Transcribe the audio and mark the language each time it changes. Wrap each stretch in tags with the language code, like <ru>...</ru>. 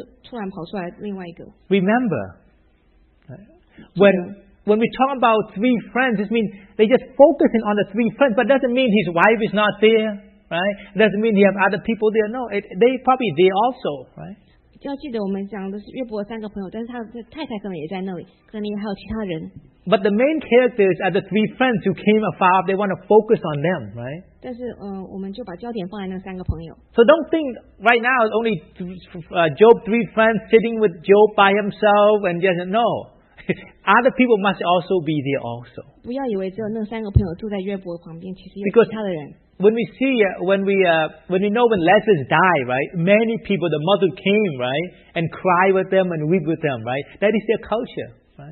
<en>Remember, when we talk about three friends, it means they just focusing on the three friends, but doesn't mean his wife is not there, right? Doesn't mean he have other people there, no, they probably there also, right?</en> <zh>要记得我们讲的是约伯三个朋友，但是他的太太可能也在那里，可能还有其他人。</zh> <en>But the main characters are the three friends who came afar off. They want to focus on them, right?</en> <zh>但是我们就把焦点放在那三个朋友。</zh> <en>So don't think right now it's only Job three friends sitting with Job by himself and just no. Other people must also be there also.</en> <zh>不要以为只有那三个朋友住在约伯旁边，其实有其他的人。</zh> <en>When we see, when we know when Lazarus died, right? Many people, the mother came, right? And cry with them and weep with them, right? That is their culture, right?</en>